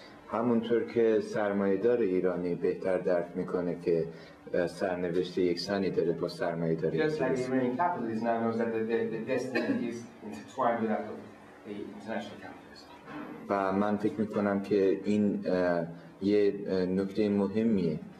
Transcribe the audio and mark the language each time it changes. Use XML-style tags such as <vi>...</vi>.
<fa>همونطور که سرمایه‌دار ایرانی بهتر درک میکنه که سرنوشت یکسانی داره با سرمایه‌دار انگلیسی.</fa> <en>Just like the Iranian capitalist now knows that the destiny is intertwined with that of the international capital.</en> <fa>و من فکر میکنم که این یه نکته مهمیه.</fa>